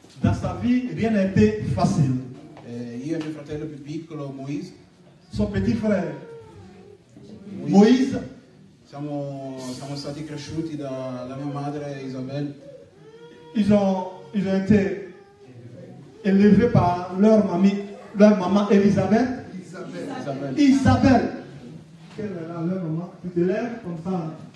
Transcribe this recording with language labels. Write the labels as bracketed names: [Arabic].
[French] Da sa vie, rien n'a été facile. [Italian] Io e mio fratello più piccolo, Moïse. [French] Son petit frère, Moïse. [Italian] Siamo stati cresciuti dalla mia madre, Isabelle. [French] Ils ont été élevés par leur mamie, leur maman, Elisabeth. Isabelle. Quelle est là, leur maman? Tu te lèves comme ça.